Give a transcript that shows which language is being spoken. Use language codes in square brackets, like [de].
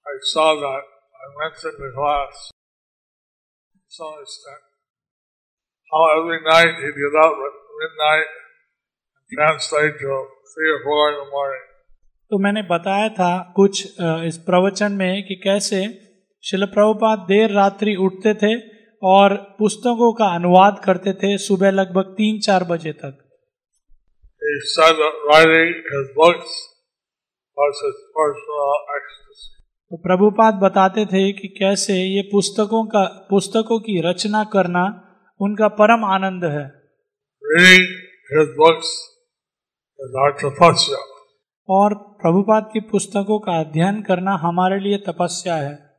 [hi] तो मैंने बताया था कुछ इस प्रवचन में कि कैसे श्रील प्रभुपाद देर रात्रि उठते थे और पुस्तकों का अनुवाद करते थे सुबह लगभग 3-4 बजे तक. [en] He started writing his books as his personal ecstasy. [hi] तो प्रभुपाद बताते थे कि कैसे ये पुस्तकों की रचना करना उनका परम आनंद है. [en] Reading his books is our tapasya. [hi] और प्रभुपाद की पुस्तकों का अध्ययन करना हमारे लिए तपस्या है.